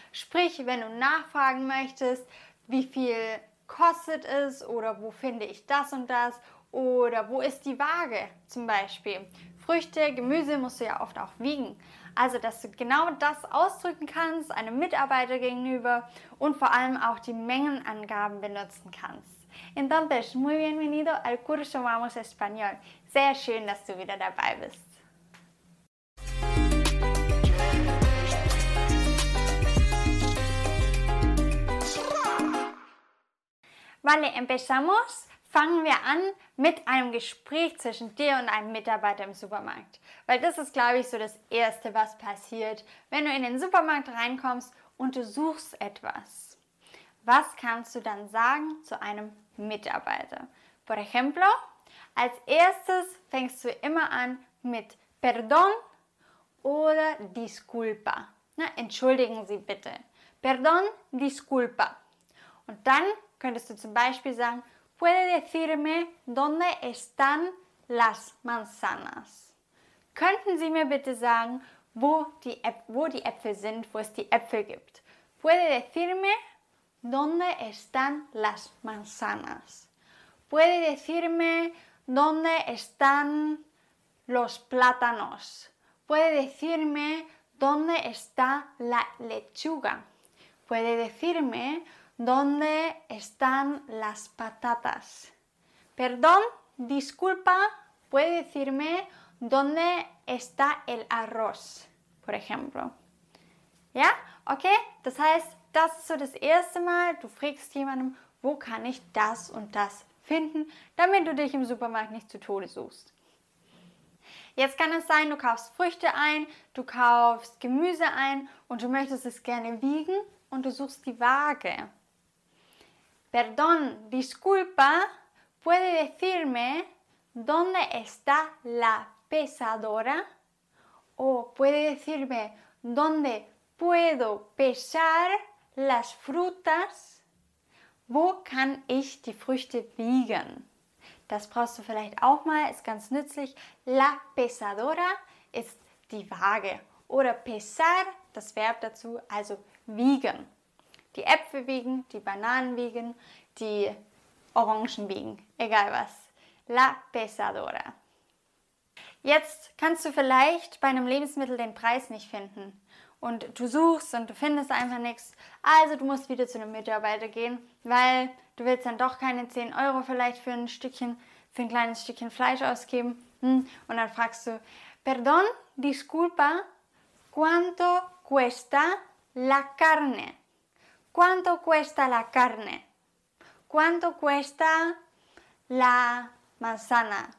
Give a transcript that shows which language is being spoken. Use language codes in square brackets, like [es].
[de] Sprich, wenn du nachfragen möchtest, wie viel kostet es oder wo finde ich das und das oder wo ist die Waage zum Beispiel. Früchte, Gemüse musst du ja oft auch wiegen. Also, dass du genau das ausdrücken kannst, einem Mitarbeiter gegenüber und vor allem auch die Mengenangaben benutzen kannst. [es] Entonces, muy bienvenido al curso Vamos Español. [de] Sehr schön, dass du wieder dabei bist. [es] Vale, empezamos. [de] Fangen wir an mit einem Gespräch zwischen dir und einem Mitarbeiter im Supermarkt. Weil das ist, glaube ich, so das Erste, was passiert, wenn du in den Supermarkt reinkommst und du suchst etwas. Was kannst du dann sagen zu einem Mitarbeiter? [es] Por ejemplo, [de] als erstes fängst du immer an mit Perdón oder Disculpa. Na, entschuldigen Sie bitte. [es] Perdón, Disculpa. [de] Und dann könntest du zum Beispiel sagen, [es] ¿Puede decirme dónde están las manzanas? [de] Könnten Sie mir bitte sagen, wo die Äpfel sind, wo es die Äpfel gibt? [es] ¿Puede decirme dónde están las manzanas? ¿Puede decirme dónde están los plátanos? ¿Puede decirme dónde está la lechuga? ¿Puede decirme dónde están las patatas? Perdón, disculpa, ¿puede decirme dónde está el arroz? Por ejemplo. ¿Ya? ¿Ok? [de] Das heißt, das ist so das erste Mal, du fragst jemandem, wo kann ich das und das finden, damit du dich im Supermarkt nicht zu Tode suchst. Jetzt kann es sein, du kaufst Früchte ein, du kaufst Gemüse ein und du möchtest es gerne wiegen und du suchst die Waage. [es] Perdón, disculpa, ¿puede decirme dónde está la pesadora? ¿O puede decirme dónde puedo pesar las frutas? [de] ¿Wo kann ich die Früchte wiegen? Das brauchst du vielleicht auch mal, ist ganz nützlich. La pesadora ist die Waage. Oder pesar, das Verb dazu, also wiegen. Die Äpfel wiegen, die Bananen wiegen, die Orangen wiegen, egal was. La pesadora. Jetzt kannst du vielleicht bei einem Lebensmittel den Preis nicht finden. Und du suchst und du findest einfach nichts. Also du musst wieder zu einem Mitarbeiter gehen, weil du willst dann doch keine 10 Euro vielleicht für ein kleines Stückchen Fleisch ausgeben. Und dann fragst du, [es] perdón, disculpa, ¿cuánto cuesta la carne? ¿Cuánto cuesta la carne? ¿Cuánto cuesta la manzana?